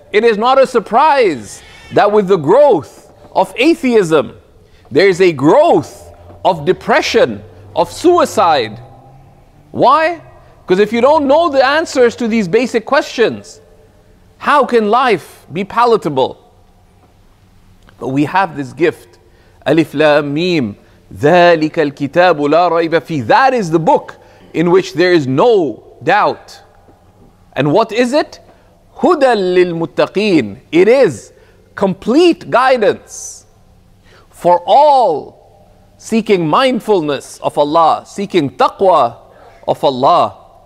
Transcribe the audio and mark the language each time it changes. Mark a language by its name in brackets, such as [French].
[English] It is not a surprise that with the growth of atheism, there is a growth of depression, of suicide. Why? Because if you don't know the answers to these basic questions, how can life be palatable? But we have this gift. [Arabic] Alif Lam Mim, ذَلِكَ الْكِتَابُ لَا رَيْبَ فِيهِ. [English] That is the book in which there is no doubt. And what is it? [Arabic] هُدًى لِلْمُتَّقِينَ. [English] It is complete guidance for all seeking mindfulness of Allah, seeking taqwa of Allah.